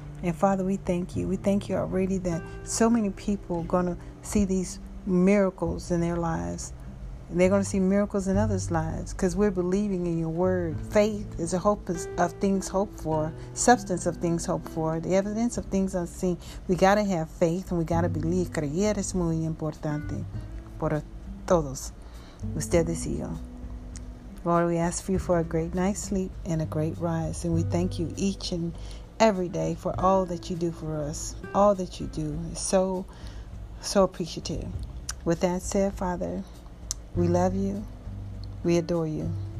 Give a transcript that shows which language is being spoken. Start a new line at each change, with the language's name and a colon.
English: And Father, we thank you. We thank you already that so many people are going to see these miracles in their lives. And they're going to see miracles in others' lives because we're believing in your word. Faith is a hope of things hoped for, substance of things hoped for, the evidence of things unseen. We got to have faith and we got to believe.
Spanish: Creer es muy importante para todos ustedes y yo.
English: Lord, we ask for you for a great night's sleep and a great rise. And we thank you each and every day for all that you do for us. All that you do is so, so appreciative. With that said, Father, we love you. We adore you.